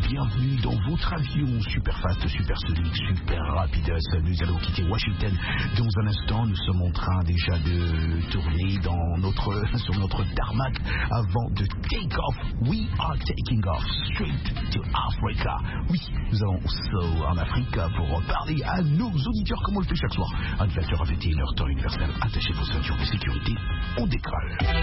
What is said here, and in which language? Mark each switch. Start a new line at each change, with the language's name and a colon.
French: Bienvenue dans votre avion
English: super fast,
French: super solide, super rapide. Nous allons quitter Washington dans un instant. Nous sommes en train déjà de tourner dans notre, sur notre tarmac avant de
English: take off. We are taking off straight to Africa.
French: Oui, nous allons aussi en Afrique pour parler à nos auditeurs comme on le fait chaque soir. À 20h à 21h, temps universel, attachez vos ceintures de sécurité. On décolle.